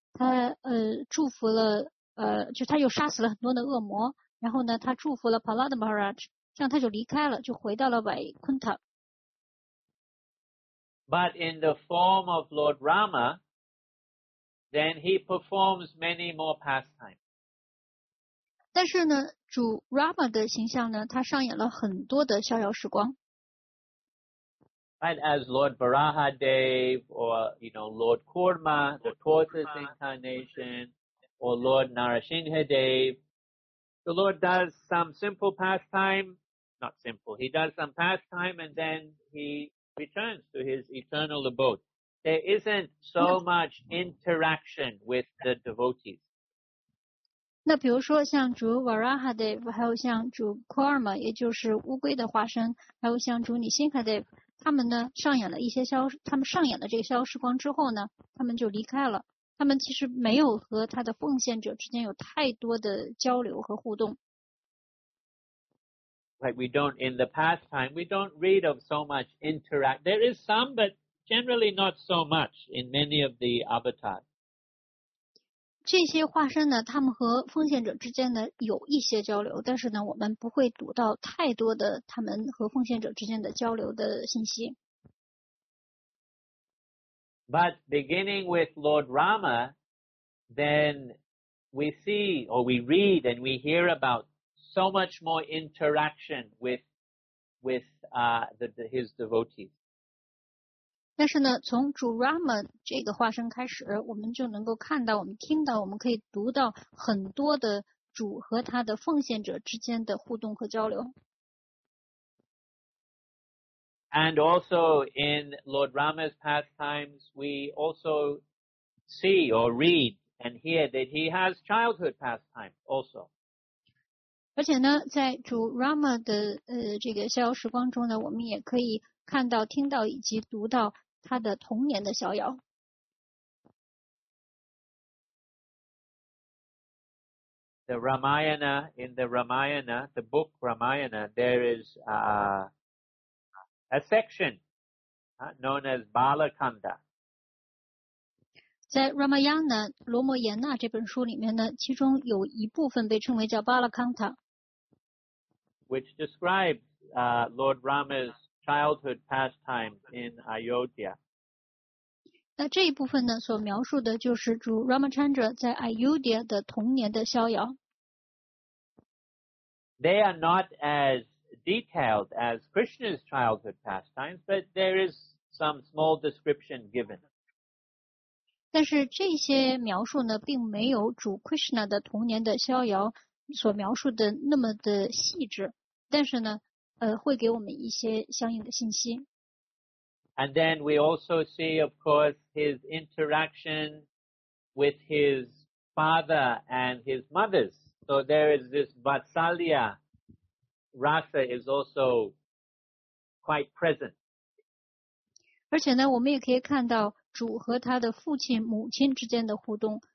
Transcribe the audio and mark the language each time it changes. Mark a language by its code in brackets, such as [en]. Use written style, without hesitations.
[zh] 他祝福了就他又杀死了很多的恶魔，然后呢他祝福了 Prahlad Maharaj， 这样他就离开了，就回到了 Vaikuntha。 [en] But in the form of Lord Rama, then he performs many more pastimes。 [zh] 但是呢，主 Rama 的形象呢，他上演了很多的逍遥时光。 [en] Right, as Lord Varahadeva, or you know, Lord Kurma, the tortoise incarnation, or Lord Narasimhadeva, the Lord does some simple pastime, not simple. He does some pastime and then he returns to his eternal abode. There isn't so much interaction with the devotees. [zh] 那比如说像主 Varahadev， 还有像主 Kurma， 也就是乌龟的化身，还有像主 Narasimhadev， 他们呢上演了一些他们上演了这个逍遥时光之后呢，他们就离开了，他们其实没有和他的奉献者之间有太多的交流和互动。 [en] Like we don't in the pastime, we don't read of so much interact. There is some, but generally not so much in many of the avatars. [zh] 这些化身呢，他们和奉献者之间呢有一些交流，但是呢，我们不会读到太多的他们和奉献者之间的交流的信息。 [en] But beginning with Lord Rama, then we see or we read and we hear about so much more interaction with his devotees. [zh] 但是呢，从主 Rama 这个化身开始，我们就能够看到，我们听到，我们可以读到很多的主和他的奉献者之间的互动和交流。 [en] And also in Lord Rama's pastimes, we also see or read and hear that he has childhood pastimes also. [zh] 而且呢，在主 Rama 的这个逍遥时光中呢，我们也可以看到、听到以及读到他的童年的逍遥。 [en] The Ramayana, in the Ramayana, the book Ramayana, there is a section known as Balakanda. [zh] 在 Ramayana, 罗摩衍那这本书里面呢，其中有一部分被称为叫 Balakanda。 [en] Which describes Lord Rama's childhood pastime in Ayodhya. [zh] 那这一部分呢，所描述的就是主 Ramachandra 在 Ayodhya 的童年的逍遥。 [en] They are not as detailed as Krishna's childhood pastimes, but there is some small description given. [zh] 但是这些描述呢，并没有主 Krishna 的童年的逍遥所描述的那么的细致。但是呢，会给我们一些相应的信息。 [en] And then we also see, of course, his interaction with his father and his mothers. So there is this Vatsalya Rasa is also quite present. [zh] 而且呢，我们也可以看到主和他的父亲、母亲之间的互动。